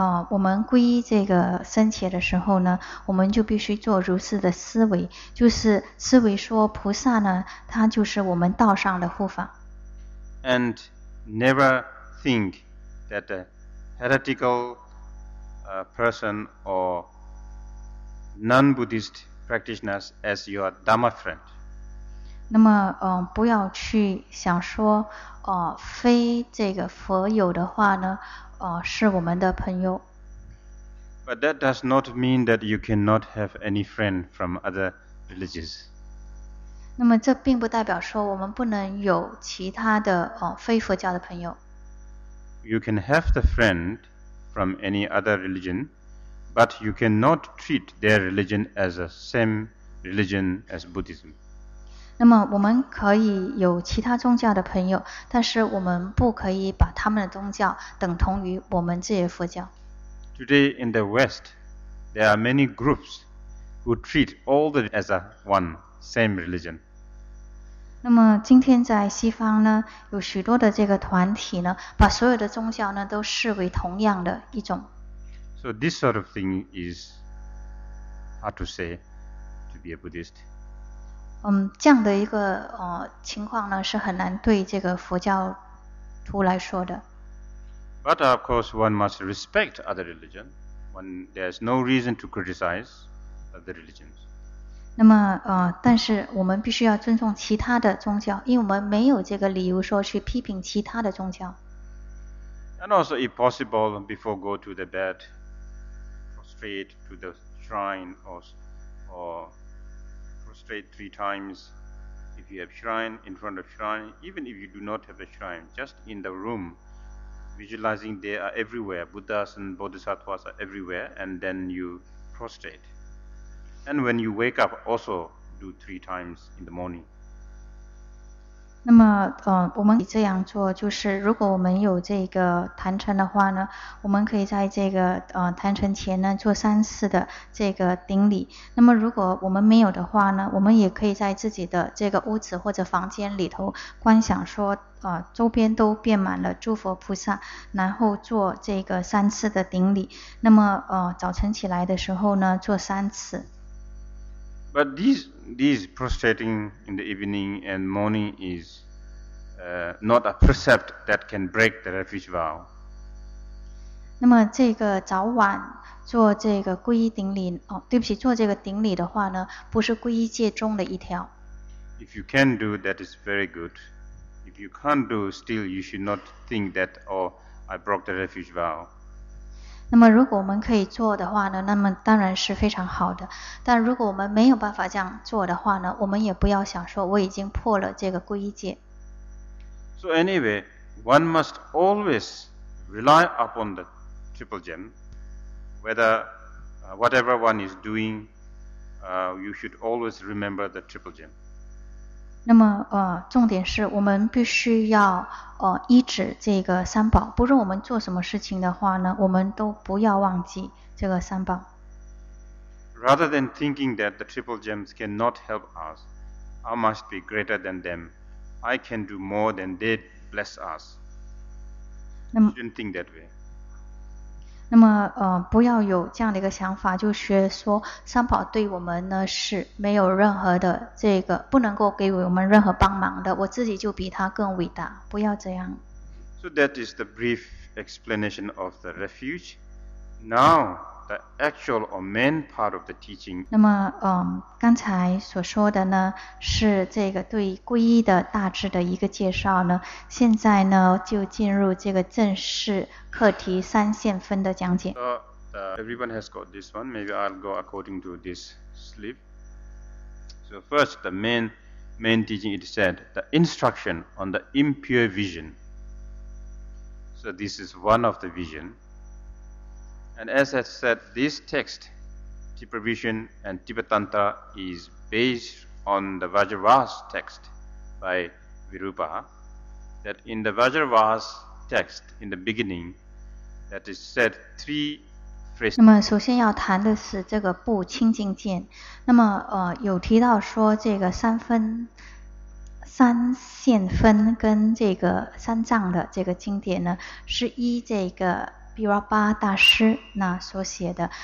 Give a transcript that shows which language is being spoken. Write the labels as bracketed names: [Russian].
[Chinese] 我们皈依这个僧伽的时候呢，我们就必须做如是的思维，就是思维说菩萨呢，他就是我们道上的护法。 [English] And never think that a heretical person or non-Buddhist practitioners as your Dharma friend. [Chinese] 那么不要去想说非这个佛友的话呢。是我们的朋友。 [English] But that does not mean that you cannot have any friend from other religions. [Chinese] 那么这并不代表说我们不能有其他的非佛教的朋友。 [English] You can have the friend from any other religion, but you cannot treat their religion as the same religion as Buddhism. [Chinese] 那么我们可以有其他宗教的朋友，但是我们不可以把他们的宗教等同于我们自己的佛教。 [English] Today in the West, there are many groups who treat all the as a one, same religion. [Chinese] 那么今天在西方呢，有许多的这个团体呢，把所有的宗教呢都视为同样的一种。 [English] So this sort of thing is hard to say to be a Buddhist. [Chinese] 这样的一个情况呢，是很难对这个佛教徒来说的。 [English] But of course, one must respect other religion. One, there's no reason to criticize other religions. [Chinese] 那么但是我们必须要尊重其他的宗教，因为我们没有这个理由说去批评其他的宗教。 [English] And also, if possible, before go to the bed, prostrate to the shrine, or prostrate three times. If you have shrine in front of shrine, even if you do not have a shrine, just in the room. Visualizing they are everywhere, Buddhas and Bodhisattvas are everywhere, and then you prostrate. And when you wake up, also do three times in the morning. [Chinese] 那么我们可以这样做，就是如果我们有这个坛城的话呢，我们可以在这个坛城前呢做三次的这个顶礼。那么如果我们没有的话呢，我们也可以在自己的这个屋子或者房间里头观想说周边都遍满了诸佛菩萨，然后做这个三次的顶礼。那么早晨起来的时候呢做三次。 [English] But these prostrating in the evening and morning is not a precept that can break the refuge vow. [Chinese] 那么这个早晚做这个皈依顶礼对不起，做这个顶礼的话呢，不是皈依戒中的一条。 [English] If you can do, that is very good. If you can't do, still you should not think that, I broke the refuge vow. [Chinese] 那么如果我们可以做的话呢，那么当然是非常好的。但如果我们没有办法这样做的话呢，我们也不要想说我已经破了这个皈依戒。 [English] So anyway, one must always rely upon the triple gem. Whether whatever one is doing, you should always remember the triple gem. [Chinese] 那么重点是我们必须要依止这个三宝，不论我们做什么事情的话呢，我们都不要忘记这个三宝。 [English] Rather than thinking that the triple gems cannot help us, I must be greater than them. I can do more than they bless us. You shouldn't think that way. [Chinese] 那么不要有这样的一个想法，就学说三宝对我们呢是没有任何的这个不能够给我们任何帮忙的，我自己就比他更伟大，不要这样。 [English] So that is the brief explanation of the refuge. Now, the actual or main part of the teaching. [Chinese] 那么刚才所说的呢是这个对皈依的大致的一个介绍呢，现在呢就进入这个正式课题三线分的讲解。 [English] Everyone has got this one. Maybe I'll go according to this slip. So first, the main teaching, it said, the instruction on the impure vision. So this is one of the vision. And as I said, this text, Tipravision and Tipatantra, is based on the Vajravas text by Virupa. That in the Vajravas text, in the beginning,That is said three phrases. [Chinese] 那么首先要谈的是这个不清净见。那么有提到说这个三线分跟这个三藏的这个经典呢，是依这个毗卢巴大师那所写的。